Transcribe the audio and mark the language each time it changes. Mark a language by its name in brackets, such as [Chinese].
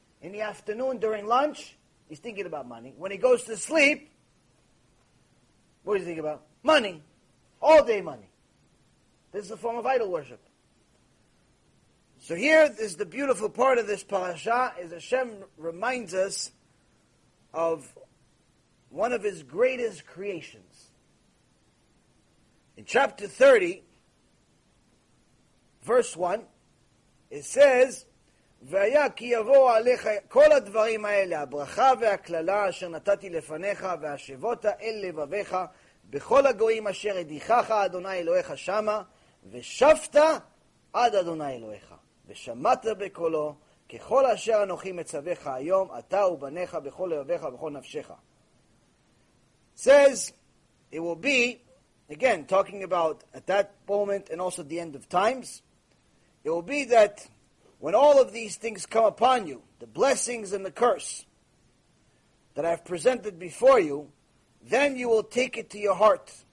[English] In the afternoon, during lunch, he's thinking about money. When he goes to sleep, what do you think about? Money. All day money. This is a form of idol worship. So here is the beautiful part of this parasha, is Hashem reminds us of one of his greatest creations. In chapter 30, verse 1, it says, [Hebrew] והיה כי יבוא עליך כל הדברים האלה, הברכה והכללה אשר נתתי לפניך, והשבות אל לבביך, בכל הגויים אשר הדיחך אדוני אלוהיך שמה, ושפת עד אדוני אלוהיך. ושמעת בקולו, ככל אשר אנוכי מצווך היום, אתה ובניך בכל לבביך ובכל נפשך. [English] It says, it will be, again, talking about at that moment and also the end of times, it will be that when all of these things come upon you, the blessings and the curse that I have presented before you, then you will take it to your heart.